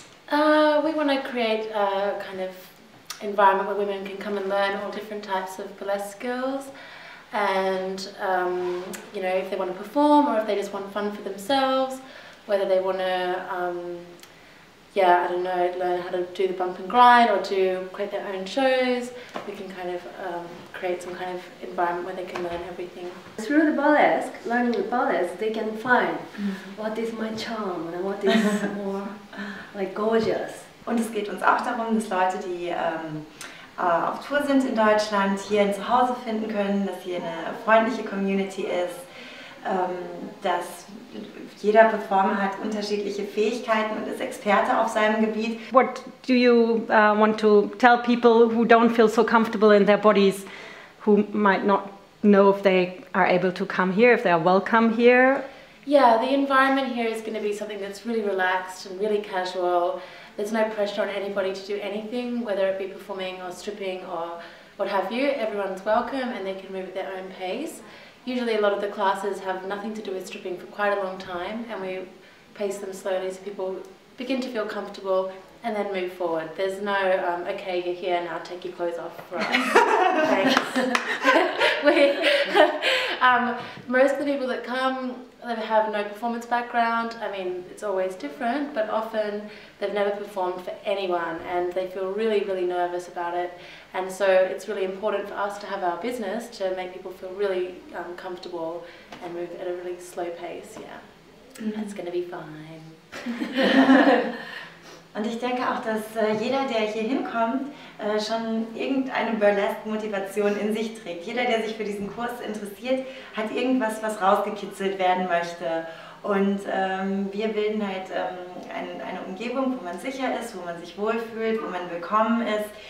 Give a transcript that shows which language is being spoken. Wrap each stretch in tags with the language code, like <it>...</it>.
<en>We want to create a kind of environment where women can come and learn all different types of burlesque skills, and you know, if they want to perform or if they just want fun for themselves, whether they want to learn how to do the bump and grind or to create their own shows, we can kind of create some kind of environment where they can learn everything. Through the burlesque, learning the burlesque, they can find what is my charm and what is more like gorgeous.</en> <de>Und es geht uns auch darum, dass Leute, die auf Tour sind in Deutschland, hier ein Zuhause finden können, dass hier eine freundliche Community ist, dass jeder Performer hat unterschiedliche Fähigkeiten und ist Experte auf seinem Gebiet.</de> <en>What do you want to tell people who don't feel so comfortable in their bodies, who might not know if they are able to come here, if they are welcome here? Yeah, the environment here is going to be something that's really relaxed and really casual. There's no pressure on anybody to do anything, whether it be performing or stripping or what have you. Everyone's welcome and they can move at their own pace. Usually a lot of the classes have nothing to do with stripping for quite a long time, and we pace them slowly so people begin to feel comfortable and then move forward. There's no, okay, you're here, now take your clothes off for us. most of the people that come, they have no performance background. I mean, it's always different, but often they've never performed for anyone and they feel really, really nervous about it. And so it's really important for us to have our business to make people feel really comfortable and move at a really slow pace, yeah. Mm-hmm. It's gonna be fine.</en> <de>Und ich denke auch, dass jeder, der hier hinkommt, schon irgendeine Burlesque-Motivation in sich trägt. Jeder, der sich für diesen Kurs interessiert, hat irgendwas, was rausgekitzelt werden möchte. Und wir bilden halt eine Umgebung, wo man sicher ist, wo man sich wohlfühlt, wo man willkommen ist.</de>